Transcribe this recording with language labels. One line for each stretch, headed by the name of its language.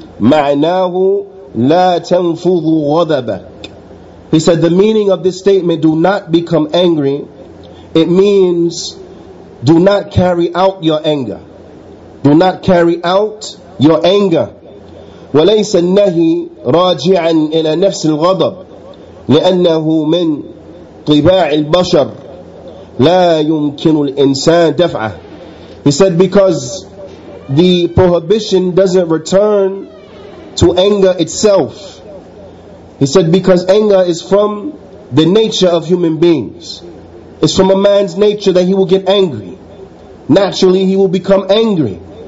Arabic: معناه لا تنفض غضبك
English: He said the meaning of this statement Do not become angry It means, do not carry out your anger. Do not carry out your anger.
Arabic: وليس النهي راجعا إلى نفس الغضب لأنه من طباع البشر لا يمكن الإنسان دفعه.
English: He said because the prohibition doesn't return to anger itself. He said because anger is from the nature of human beings. It's from a man's nature that he will get angry. Naturally, he will become angry.